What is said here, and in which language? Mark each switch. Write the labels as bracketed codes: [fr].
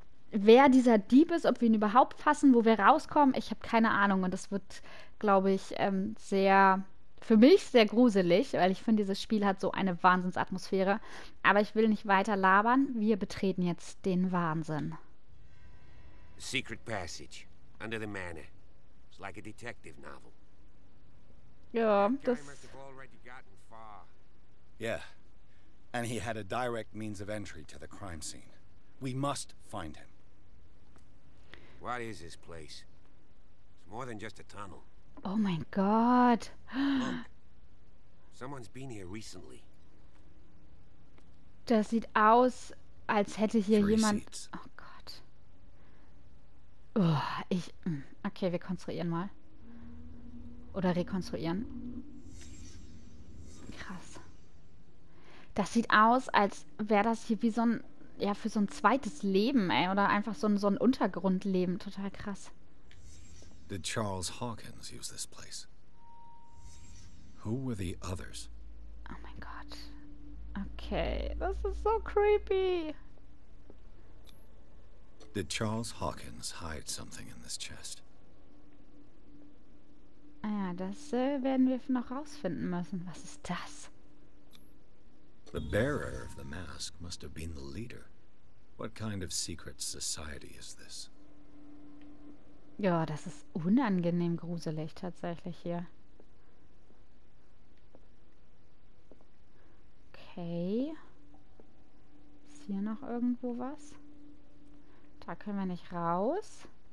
[de] Wer dieser Dieb ist, ob wir ihn überhaupt fassen, wo wir rauskommen, ich habe keine Ahnung. Und das wird, glaube ich, sehr, für mich sehr gruselig, weil ich finde, dieses Spiel hat so eine Wahnsinnsatmosphäre. Aber ich will nicht weiter labern. Wir betreten jetzt den Wahnsinn. [en] Secret passage under the manor. It's like a detective novel. [de] Ja, [en] That guy [de] das. [en] must have already gotten far. Yeah, and he had a direct means of entry to the crime scene. We must find him. What is this place? It's more than just a tunnel. [de] Oh mein Gott. [en] Look, someone's been here recently. [de] Das sieht aus, als hätte hier [en] Three [de] jemand. [en] seats. [de] Oh Gott. Oh, ich. Okay, wir konstruieren mal. Oder rekonstruieren. Krass. Das sieht aus, als wäre das hier wie so ein. Ja, für so ein zweites Leben, ey, oder einfach so ein Untergrundleben. Total krass. [en] Did Charles Hawkins use this place? Who were the others? [de] Okay, das ist so creepy. [en] Did Charles Hawkins hide something in this chest? [de] Ja, das werden wir noch rausfinden müssen. Was ist das? [en] The bearer of the mask must have been the leader. What kind of secret society is this? [de] Ja, das ist unangenehm gruselig tatsächlich hier. Okay. Ist hier noch irgendwo was? Da können wir nicht raus.